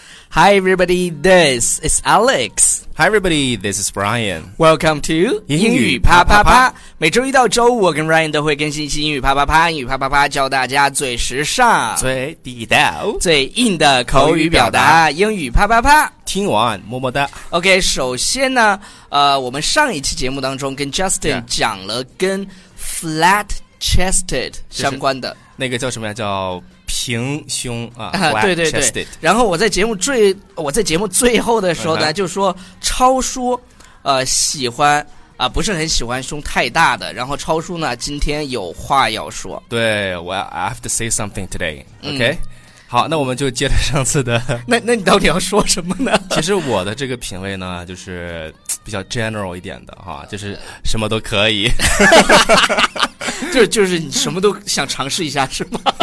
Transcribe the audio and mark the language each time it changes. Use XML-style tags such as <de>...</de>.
<en>Hi everybody, this is Alex. Hi everybody, this is Brian. Welcome to</en> <zh>英语啪啪啪。每周一到周五，我跟 Ryan 都会更新一期英语啪啪啪。英语啪啪啪，教大家最时尚、最地道、最硬的口语表达。英语啪啪啪，听完么么哒。 OK， 首先呢，我们上一期节目当中跟 Justin 讲了跟 flat chested 相关的，那个叫什么呀？叫平胸对对对。然后我在节目最后的时候呢，就说超叔喜欢不是很喜欢胸太大的，然后超叔呢今天有话要说。</zh> <en>对， well, I have to say something today.</en> <zh>OK、嗯、好，那我们就接着上次的。那你到底要说什么呢？其实我的这个品味呢就是比较 general 一点的哈，就是什么都可以。就是你什么都想尝试一下是吗？</zh>